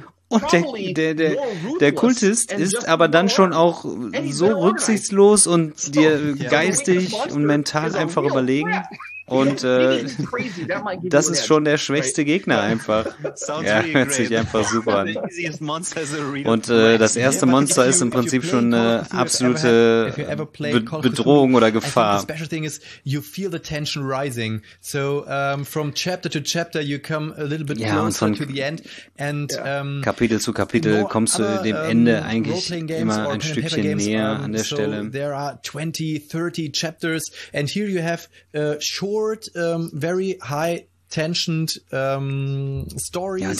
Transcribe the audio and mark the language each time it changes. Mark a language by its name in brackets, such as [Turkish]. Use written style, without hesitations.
[German] Und der Kultist ist aber dann schon auch so rücksichtslos und dir geistig und mental einfach überlegen. Und das ist schon der schwächste Gegner einfach. Ja, hört sich einfach super an. Und das erste Monster ist im Prinzip schon eine absolute Bedrohung oder Gefahr. [English] The special thing is you feel the tension rising. So from chapter to chapter you come a little bit closer to the end. And [German] Kapitel zu Kapitel kommst du dem Ende eigentlich immer ein Stückchen näher an der Stelle. [English] There are 20, 30 chapters and here you have short, very high tensioned stories.